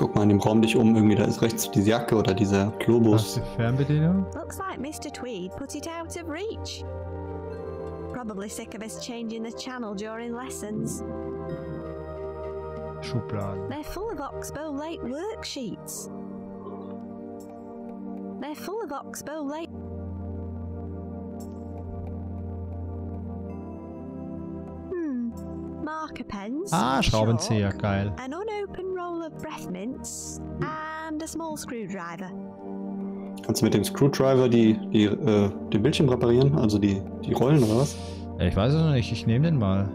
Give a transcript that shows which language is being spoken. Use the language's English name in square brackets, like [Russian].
[German] Guck mal in dem Raum dich um, irgendwie da ist rechts diese Jacke oder dieser Globus. Hast du Fernbedienung? [English] Looks like Mr. Tweed put it out of reach. Probably sick of us changing the channel during lessons. [German] Schubladen. [English] They're full of Oxbow Lake worksheets. They're full of Oxbow Lake. Marker pens. [German] Ah, Schraubenzieher, geil. [English] An unopened roll of breath mints and a small screwdriver. [German] Kannst du mit dem Screwdriver den Bildschirm reparieren? Also die Rollen oder was? Ich weiß es noch nicht, ich nehme den mal.